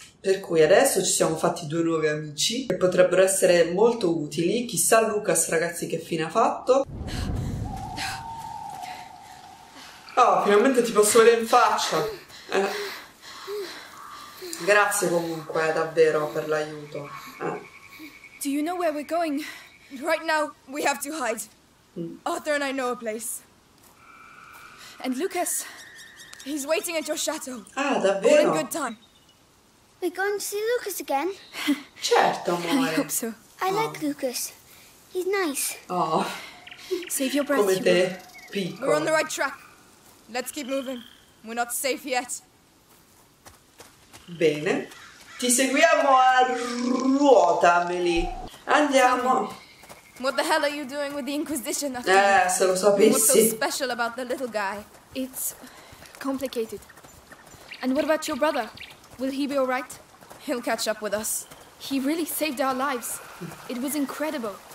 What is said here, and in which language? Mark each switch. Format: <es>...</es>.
<it>Per cui adesso ci siamo fatti due nuovi amici che potrebbero essere molto utili. Chissà Lucas, ragazzi, che fine ha fatto. Oh, finalmente ti posso vedere in faccia. Grazie comunque, davvero, per l'aiuto.</it> <en>Do you know where we're going? Right now we have to hide. Arthur and I know a place. And Lucas, he's waiting at your chateau.</en> <it>Ah, davvero?</it> <en>All in good time. We're going to see Lucas again?</en> <it>Certo, amore.</it> <en>I hope so. I like Lucas. He's nice. Oh. Save your breath.</en> <it>Come te, piccolo.</it> <en>We're on the right track. Let's keep moving. We're not safe yet.</en> <it>Bene. Ti seguiamo a ruota, Amelie. Andiamo.</it> <en>What the hell are you doing with the Inquisition?</en> <it>Se lo sapessi.</it> <en>What's so special about the little guy? It's complicated. And what about your brother? Will he be all right? He'll catch up with us. He really saved our lives. It was incredible.</en>